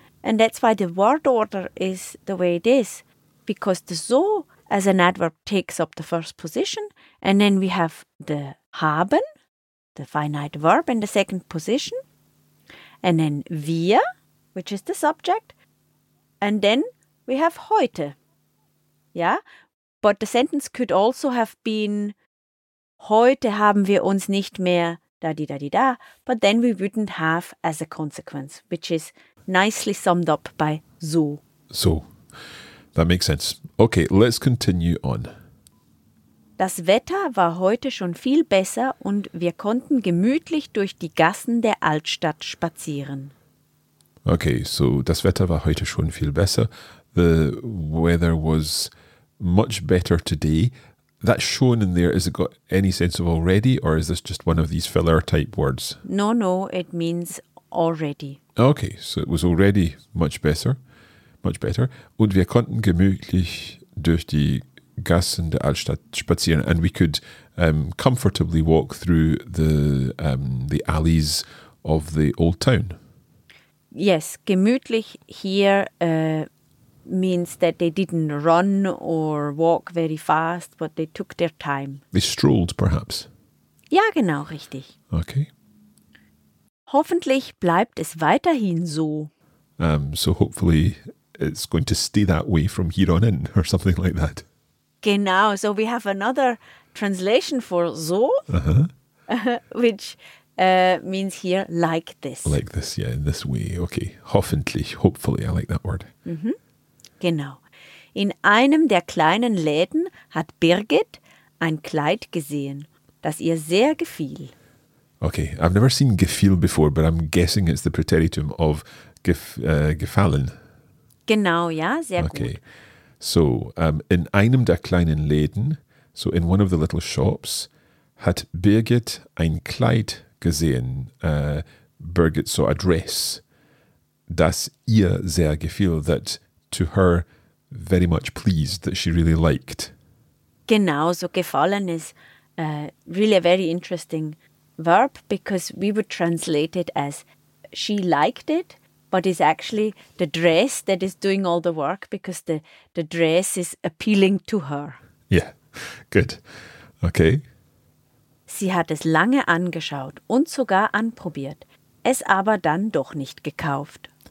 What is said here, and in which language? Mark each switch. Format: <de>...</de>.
<en>And that's why the word order is the way it is, because the so as an adverb takes up the first position, and then we have the haben, the finite verb, in the second position, and then wir, which is the subject, and then we have heute, yeah? But the sentence could also have been,</en> <de>heute haben wir uns nicht mehr da-di-da-di-da,</de> <en>but then we wouldn't have as a consequence, which is nicely summed up by so. So, that makes sense. Okay, let's continue on.</en> <de>Das Wetter war heute schon viel besser und wir konnten gemütlich durch die Gassen der Altstadt spazieren.</de> <en>Okay, so</en> <de>das Wetter war heute schon viel besser.</de> <en>The weather was much better today. That schon in there, has it got any sense of already, or is this just one of these filler type words? No, it means already. Okay, so it was already much better. Much better.</en> <de>Und wir konnten gemütlich durch die Gassen der Altstadt spazieren.</de> <en>And we could comfortably walk through the alleys of the old town. Yes, gemütlich here means that they didn't run or walk very fast, but they took their time. They strolled, perhaps.</en> <de>Ja, genau, richtig.</de> <en>Okay.</en> <de>Hoffentlich bleibt es weiterhin so.</de> <en>So hopefully it's going to stay that way from here on in, or something like that.</en> <de>Genau,</de> <en>so we have another translation for so, which means here like this. Like this, yeah, in this way, okay.</en> <de>Hoffentlich,</de> <en>hopefully, I like that word.</en> <de>Mm-hmm. Genau. In einem der kleinen Läden hat Birgit ein Kleid gesehen, das ihr sehr gefiel.</de> <en>Okay, I've never seen gefiel before, but I'm guessing it's the preteritum of gefallen.</en> <de>Genau, ja, sehr</de> <en>okay.</en> <de>gut.</de> <en>Okay, so</en> <de>in einem der kleinen Läden,</de> <en>so in one of the little shops,</en> <de>hat Birgit ein Kleid gesehen.</de> <en>Birgit saw a dress,</en> <de>das ihr sehr gefiel,</de> <en>that to her very much pleased, that she really liked.</en> <de>Genau,</de> <en>so gefallen is really a very interesting verb, because we would translate it as she liked it, but it's actually the dress that is doing all the work, because the dress is appealing to her. Yeah, good. Okay.</en> <de>Sie hat es lange angeschaut und sogar anprobiert, es aber dann doch nicht gekauft.</de>